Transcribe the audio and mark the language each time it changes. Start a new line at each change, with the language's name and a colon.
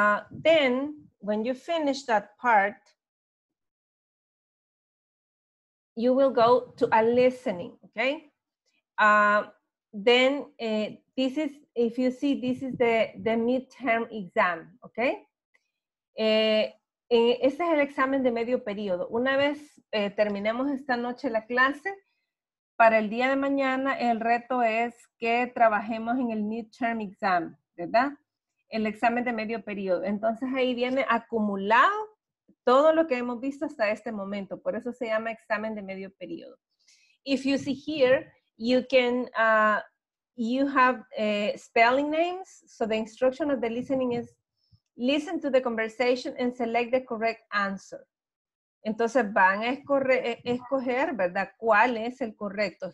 English: Then, when you finish that part, you will go to a listening, okay? This is, if you see, this is the midterm exam, okay?
Spanish: Este es el examen de medio periodo. Una vez terminemos esta noche la clase, para el día de mañana el reto es que trabajemos en el midterm exam, ¿verdad? El examen de medio periodo. Entonces ahí viene acumulado todo lo que hemos visto hasta este momento. Por eso se llama examen de medio periodo.
English: If you see here, you can, you have spelling names. So the instruction of the listening is listen to the conversation and select the correct answer.
Spanish: Entonces van a escoger, ¿verdad? ¿Cuál es el correcto?